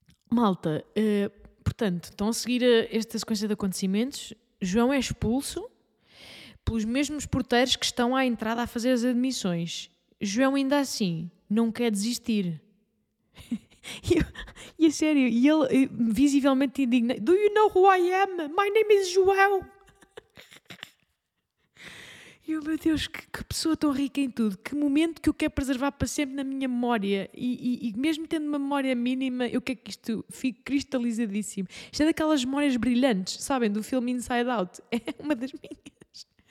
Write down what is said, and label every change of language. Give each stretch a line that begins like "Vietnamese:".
Portuguese: Malta, portanto, estão a seguir esta sequência de acontecimentos. João é expulso pelos mesmos porteiros que estão à entrada a fazer as admissões. João ainda assim não quer desistir. E a sério, e ele visivelmente indignado.
English: Do you know who I am? My name is João.
Portuguese: E eu, meu Deus, que pessoa tão rica em tudo. Que momento que eu quero preservar para sempre na minha memória. E mesmo tendo uma memória mínima, eu quero que isto fique cristalizadíssimo. Isto é daquelas memórias brilhantes, sabem, do filme Inside Out. É uma das minhas.